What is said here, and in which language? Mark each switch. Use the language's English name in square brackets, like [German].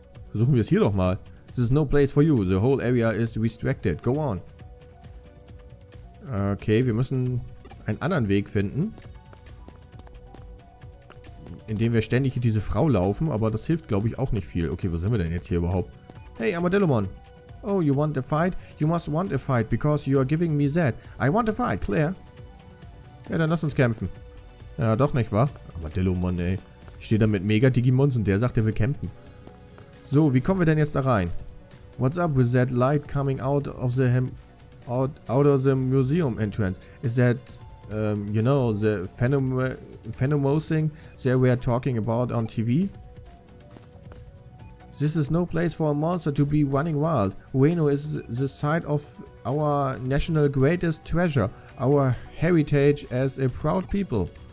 [German] Versuchen wir es hier doch mal. [English] This is no place for you. The whole area is restricted. Go on. [German] Okay, wir müssen einen anderen Weg finden. Indem wir ständig in diese Frau laufen, aber das hilft, glaube ich, auch nicht viel. Okay, wo sind wir denn jetzt hier überhaupt? [English] Hey, Armadillomon. Oh, you want a fight? You must want a fight, because you are giving me that. I want a fight, clear? [German] Ja, dann lass uns kämpfen. Ja, doch nicht, wa? Armadillomon, ey. Steht da mit Mega-Digimons und der sagt, er will kämpfen. So, wie kommen wir denn jetzt da rein? [English] What's up with that light coming out of the out of the museum entrance? Is that, you know, the Phenomosing they were talking about on TV? This is no place for a monster to be running wild. Ueno is the site of our national greatest treasure, our heritage as a proud people.